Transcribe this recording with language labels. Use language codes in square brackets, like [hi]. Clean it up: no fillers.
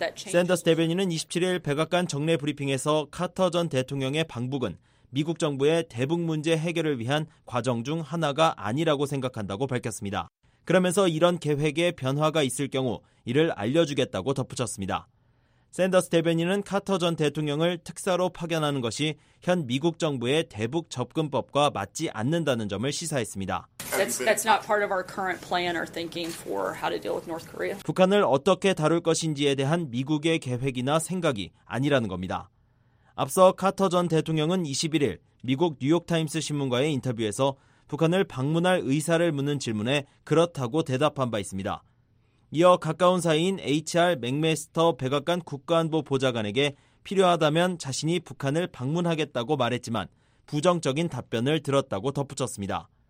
[ko] 샌더스 대변인은 27일 백악관 정례 브리핑에서 카터 전 대통령의 방북은 미국 정부의 대북 문제 해결을 위한 과정 중 하나가 아니라고 생각한다고 밝혔습니다. 그러면서 이런 계획에 변화가 있을 경우 이를 알려주겠다고 덧붙였습니다. 샌더스 대변인은 카터 전 대통령을 특사로 파견하는 것이 현 미국 정부의 대북 접근법과 맞지 않는다는 점을 시사했습니다. [en] That's not part of our current plan or thinking for how to deal with North Korea. [ko] 북한을 어떻게 다룰 것인지에 대한 미국의 계획이나 생각이 아니라는 겁니다. 앞서 카터 전 대통령은 21일 미국 뉴욕타임스 신문과의 인터뷰에서 북한을 방문할 의사를 묻는 질문에 그렇다고 대답한 바 있습니다. 이어 가까운 사이인 HR 맥메스터 백악관 국가안보 보좌관에게 필요하다면 자신이 북한을 방문하겠다고 말했지만 부정적인 답변을 들었다고 덧붙였습니다.